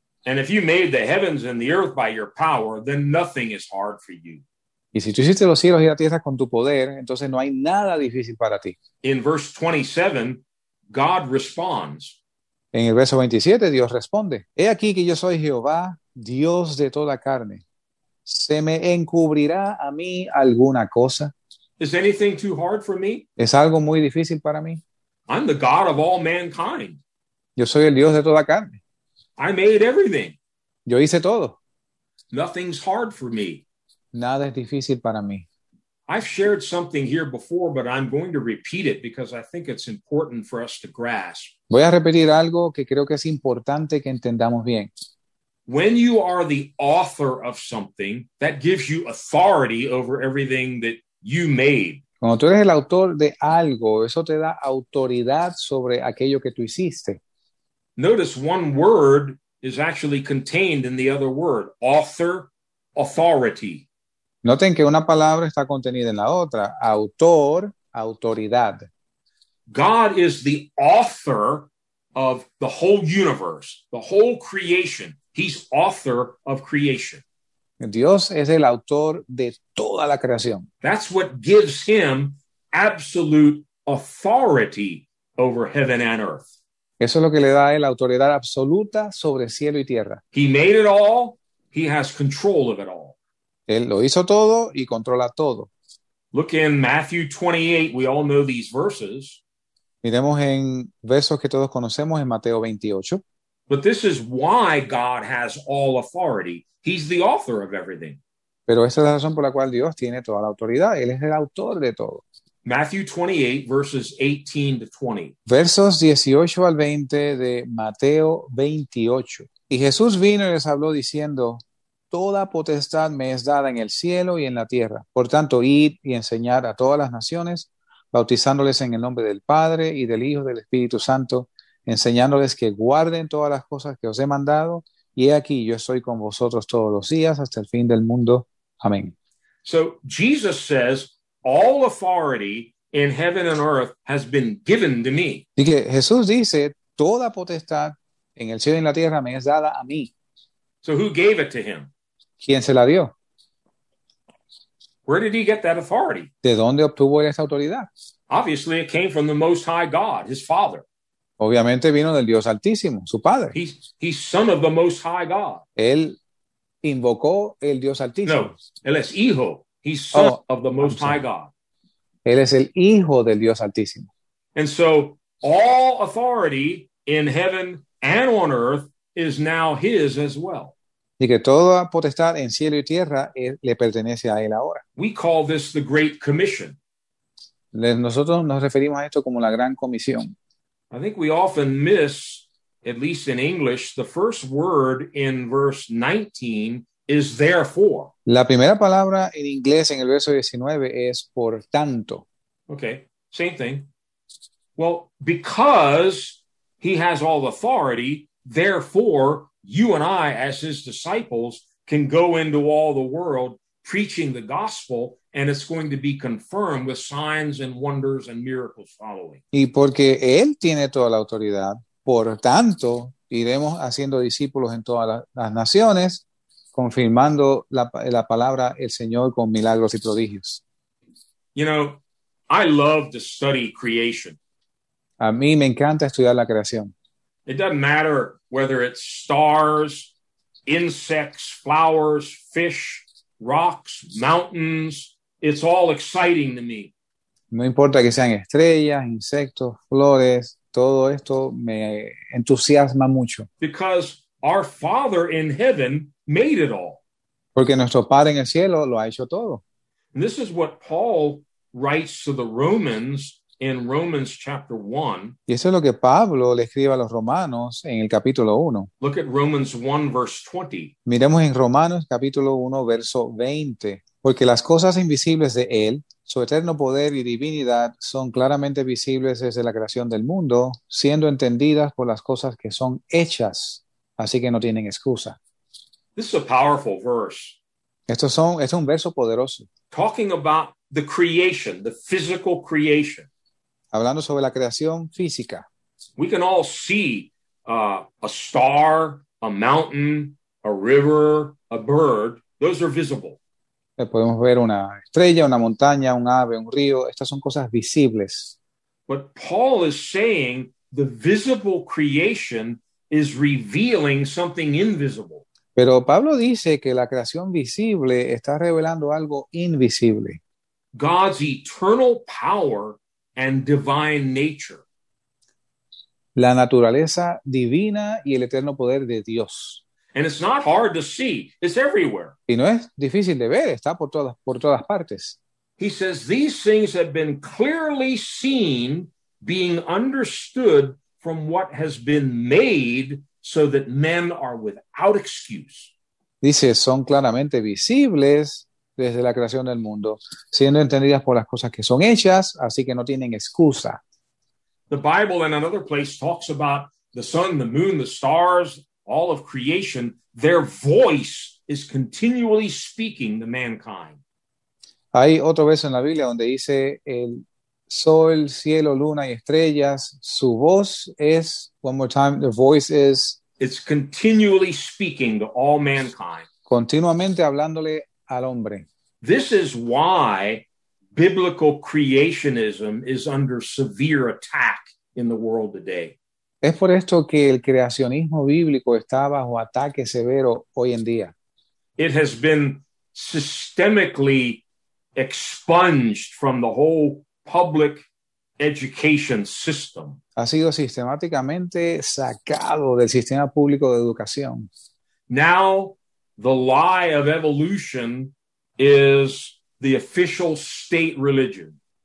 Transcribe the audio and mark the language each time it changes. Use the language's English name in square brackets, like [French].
[English] And if you made the heavens and the earth by your power, then nothing is hard for you. [Spanish] Y si tú hiciste los cielos y la tierra con tu poder, entonces no hay nada difícil para ti. [English] In verse 27, God responds. [Spanish] En el verso 27, Dios responde, he aquí que yo soy Jehová, Dios de toda carne. ¿Se me encubrirá a mí alguna cosa? [English] Is anything too hard for me? [Spanish] ¿Es algo muy difícil para mí? [English] I'm the God of all mankind. [Spanish] Yo soy el Dios de toda carne. [English] I made everything. [Spanish] Yo hice todo. [English] Nothing's hard for me. [Spanish] Nada es difícil para mí. [English] I've shared something here before, but I'm going to repeat it because I think it's important for us to grasp. [Spanish] Voy a repetir algo que creo que es importante que entendamos bien. [English] When you are the author of something, that gives you authority over everything that you made. [Spanish] Cuando tú eres el autor de algo, eso te da autoridad sobre aquello que tú hiciste. [English] Notice one word is actually contained in the other word, author, authority. [Spanish] Noten que una palabra está contenida en la otra, autor, autoridad. [English] God is the author of the whole universe, the whole creation. He's author of creation. [Spanish] Dios es el autor de toda la creación. [English] That's what gives him absolute authority over heaven and earth. [Spanish] Eso es lo que le da a él autoridad absoluta sobre cielo y tierra. [English] He made it all, he has control of it all. [Spanish] Él lo hizo todo y controla todo. [English] Look in Matthew 28, we all know these verses. [Spanish] Miremos en versos que todos conocemos en Mateo 28. [English] But this is why God has all authority. He's the author of everything. [Spanish] Pero esa es la razón por la cual Dios tiene toda la autoridad. Él es el autor de todo. [English] Matthew 28, verses 18 to 20. [Spanish] Versos 18 al 20 de Mateo 28. Y Jesús vino y les habló diciendo, toda potestad me es dada en el cielo y en la tierra. Por tanto, id y enseñad a todas las naciones, bautizándoles en el nombre del Padre y del Hijo y del Espíritu Santo, enseñándoles que guarden todas las cosas que os he mandado. Y he aquí, yo estoy con vosotros todos los días hasta el fin del mundo. Amén. [English] So, Jesus says, all authority in heaven and earth has been given to me. [Spanish] Y que Jesús dice, toda potestad en el cielo y en la tierra me es dada a mí. [English] So who gave it to him? [Spanish] ¿Quién se la dio? [English] Where did he get that authority? [Spanish] ¿De dónde obtuvo él esa autoridad? [English] Obviously, it came from the Most High God, his Father. [Spanish] Obviamente vino del Dios Altísimo, su Padre. [English] He's son of the Most High God. [Spanish] Él invocó el Dios Altísimo. No, él es hijo. [English] He's son of the Most High God. [Spanish] Él es el hijo del Dios Altísimo. [English] And so, all authority in heaven and on earth is now his as well. [Spanish] Y que toda potestad en cielo y tierra le pertenece a él ahora. [English] We call this the Great Commission. [Spanish] Nosotros nos referimos a esto como la gran comisión. [English] I think we often miss, at least in English, the first word in verse 19 is therefore. [Spanish] La primera palabra en inglés en el verso 19 es por tanto. [English] Okay, same thing. Well, because he has all authority, therefore, you and I, as his disciples, can go into all the world preaching the gospel, and it's going to be confirmed with signs and wonders and miracles following. [Spanish] Y porque él tiene toda la autoridad, por tanto, iremos haciendo discípulos en todas las naciones, confirmando la palabra el Señor con milagros y prodigios. [English] You know, I love to study creation. [Spanish] A mí me encanta estudiar la creación. [English] It doesn't matter whether it's stars, insects, flowers, fish, rocks, mountains, it's all exciting to me. [Spanish] No importa que sean estrellas, insectos, flores, todo esto me entusiasma mucho. [English] Because our Father in heaven made it all. [Spanish] Porque nuestro Padre en el cielo lo ha hecho todo. [English] And this is what Paul writes to the Romans in Romans chapter 1. [Spanish] Y eso es lo que Pablo le escribe a los Romanos en el capítulo 1. [English] Look at Romans 1 verse 20. [Spanish] Miremos en Romanos capítulo 1 verso 20. Porque las cosas invisibles de él, su eterno poder y divinidad, son claramente visibles desde la creación del mundo, siendo entendidas por las cosas que son hechas. Así que no tienen excusa. [English] This is a powerful verse. [Spanish] Es un verso poderoso. [English] Talking about the creation, the physical creation. [Spanish] Hablando sobre la creación física. [English] We can all see a star, a mountain, a river, a bird. Those are visible. [Spanish] Podemos ver una estrella, una montaña, un ave, un río. Estas son cosas visibles. [English] But Paul is saying the visible creation is revealing something invisible. [Spanish] Pero Pablo dice que la creación visible está revelando algo invisible. [English] God's eternal power and divine nature. [Spanish] La naturaleza divina y el eterno poder de Dios. [English] And it's not hard to see. It's everywhere. [Spanish] Y no es difícil de ver. Está por todas partes. [English] He says, these things have been clearly seen, being understood from what has been made, so that men are without excuse. [Spanish] Dice, son claramente visibles desde la creación del mundo, siendo entendidas por las cosas que son hechas, así que no tienen excusa. [English] The Bible in another place talks about the sun, the moon, the stars, all of creation, their voice is continually speaking to mankind. [Spanish] Hay otro verso en la Biblia donde dice el sol, cielo, luna y estrellas, su voz es, [English] one more time, the voice is, it's continually speaking to all mankind. [Spanish] Continuamente hablándole al hombre. [English] This is why biblical creationism is under severe attack in the world today. [Spanish] Es por esto que el creacionismo bíblico está bajo ataque severo hoy en día. [English] It has been systemically expunged from the whole public education system. [Spanish] Ha sido sistemáticamente sacado del sistema público de educación. [English] Now, the lie of evolution is the official state religion.